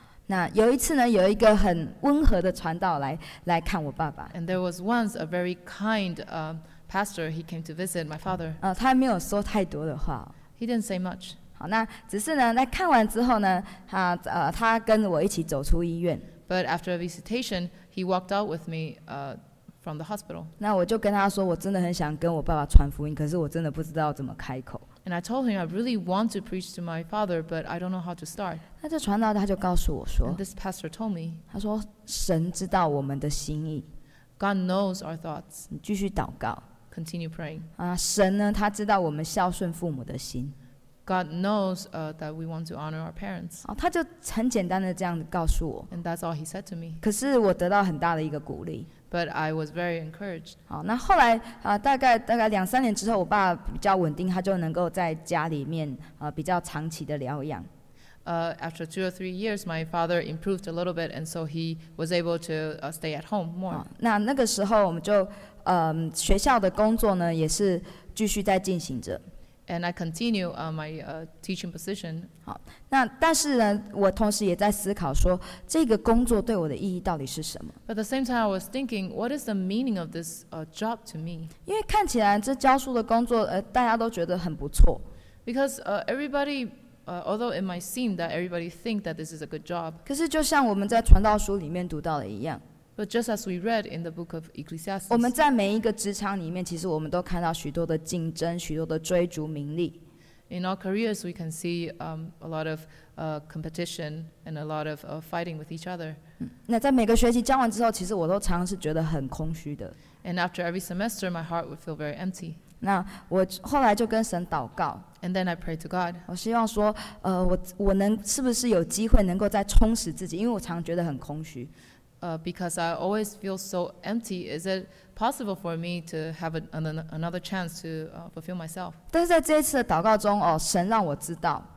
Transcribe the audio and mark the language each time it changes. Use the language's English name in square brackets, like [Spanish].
[Chinese] 那有一次呢，有一个很温和的传道来看我爸爸。 [English] And there was once a very kind pastor. He came to visit my father. [Chinese] 他没有说太多的话。 [English] He didn't say much. [Chinese] 好，那只是呢，在看完之后呢，他跟我一起走出医院。 [English] But after a visitation, he walked out with me from the hospital. [Chinese] 那我就跟他说，我真的很想跟我爸爸传福音，可是我真的不知道怎么开口。 [English] And I told him I really want to preach to my father, but I don't know how to start. [Chinese] 那这传道他就告诉我说。 [English] And this pastor told me. [Chinese] 他说神知道我们的心意。 [English] God knows our thoughts. [Chinese] 你继续祷告。 [English] Continue praying. [Chinese] 神呢他知道我们孝顺父母的心。 [English] God knows that we want to honor our parents. [Chinese] 他就很简单的这样告诉我。 [English] And that's all he said to me. [Chinese] 可是我得到很大的一个鼓励。 [English] But I was very encouraged. [Chinese] 好，那后来大概两三年之后，我爸比较稳定，他就能够在家里面比较长期的疗养。 [English] After two or three years, my father improved a little bit, and so he was able to stay at home more. [Chinese] 那个时候我们就学校的工作呢也是继续在进行着。 [English] And I continue my teaching position. [Chinese] 好，那但是呢，我同时也在思考说，这个工作对我的意义到底是什么？ [English] But at the same time, I was thinking, what is the meaning of this job to me? [Chinese] 因为看起来这教书的工作，大家都觉得很不错。 [English] Because everybody, although it might seem that everybody thinks that this is a good job. [Chinese] 可是就像我们在传道书里面读到的一样。 [English] But just as we read in the book of Ecclesiastes, [Chinese] 我们在每一个职场里面，其实我们都看到许多的竞争，许多的追逐名利。 [English] In our careers, we can see a lot of competition and a lot of fighting with each other. [Chinese] 那在每个学期教完之后，其实我都常常是觉得很空虚的。 [English] And after every semester, my heart would feel very empty. [Chinese] 那我后来就跟神祷告。 [English] And then I prayed to God. [Chinese] 我希望说，我能是不是有机会能够再充实自己，因为我常常觉得很空虚。 [English] Because I always feel so empty, is it possible for me to have another chance to fulfill myself? [Chinese] 但是在这一次的祷告中，神让我知道。